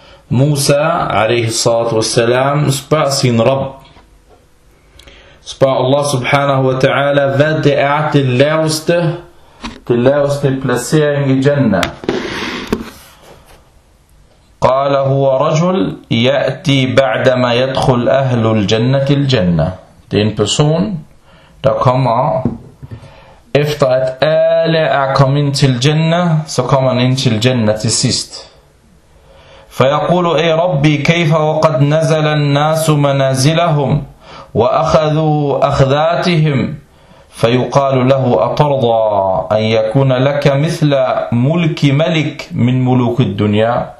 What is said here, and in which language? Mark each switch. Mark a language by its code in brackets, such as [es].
[ar] موسى عليه الصلاة والسلام [da] spørger sin [ar] رب، spørger الله سبحانه وتعالى: [da] hvad det er det laveste placering i [ar] جنة؟ قال: هو رجل يأتي بعدما يدخل أهل الجنة الجنة. [da] Det er en person der kommer efter at alle er kommet ind til Jannah, så kommer han ind til Jannah til sidst. [ar] فيقول: اي ربي كيف وقد نزل الناس منازلهم واخذوا اخذاتهم. فيقال له: اترضى ان يكون لك مثل ملك ملك من ملوك الدنيا.